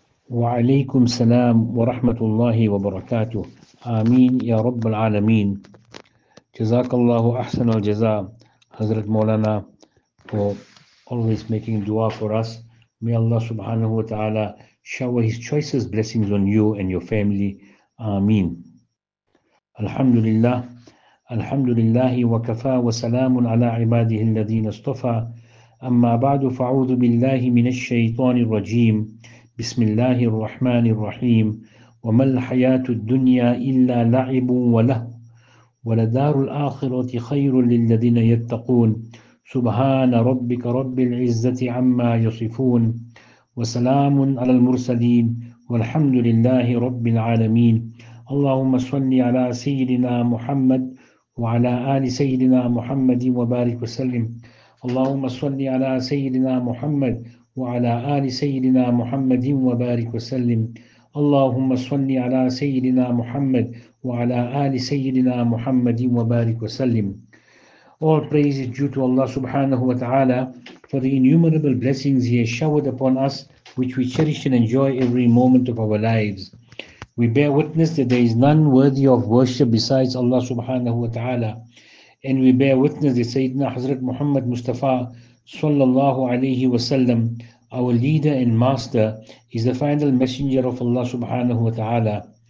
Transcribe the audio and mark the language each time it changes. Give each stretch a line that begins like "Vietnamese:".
Arabic: وعليكم السلام ورحمة الله وبركاته. آمين يا رب العالمين. جزاك الله أحسن الجزاء حضرت مولانا
English: for always making dua for us. May Allah subhanahu wa ta'ala shower his choicest blessings on you and your family.
Arabic: آمين. الحمد لله الحمد لله وكفى وسلام على عباده الذين اصطفى. أما بعد فأعوذ بالله من الشيطان الرجيم. بسم الله الرحمن الرحيم. وما الحياة الدنيا إلا لعب ولهو ولدار الآخرة خير للذين يتقون. سبحان ربك رب العزة عما يصفون وسلام على المرسلين والحمد لله رب العالمين. اللهم صل على سيدنا محمد وعلى آل سيدنا محمد وبارك وسلم. اللهم صل على سيدنا محمد وعلى آل سيدنا محمد وبارك وسلم. اللهم صل على سيدنا محمد وعلى آل سيدنا محمد وبارك وسلم.
English: All praise is due to Allah subhanahu wa ta'ala for the innumerable blessings He has showered upon us, which we cherish and enjoy every moment of our lives. We bear witness that there is none worthy of worship besides Allah subhanahu wa ta'ala. And we bear witness that Sayyidina Hazrat Muhammad Mustafa sallallahu alayhi wa sallam, our leader and master, is the final messenger of Allah subhanahu wa ta'ala.